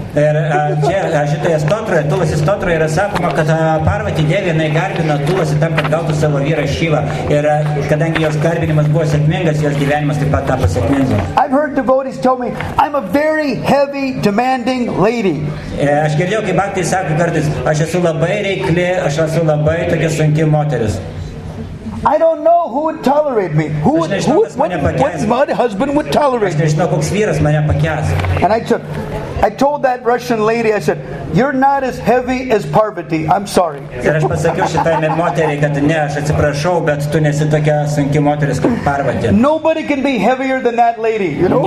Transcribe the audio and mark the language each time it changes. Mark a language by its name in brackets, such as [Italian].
[Lithuanian] Tulsi Stotra yra sakoma, kad Parvati Devi garbino Tulsi tam, kad gautų savo vyrą Shiva. Ir kadangi jos garbinimas buvo sėkmingas, jos gyvenimas taip pat tapo sėkmingas. [English] I've heard devotees tell me, I'm a very heavy, demanding lady. [Lithuanian] Aš girdėjau, kaip bhaktai sako kartais, aš esu labai reikli, aš esu labai tokia sunki moteris. [English] I don't know who would tolerate me. What husband would tolerate me? And I told that Russian lady, I said, you're not as heavy as Parvati. I'm sorry. Nobody can be heavier than that lady. You know?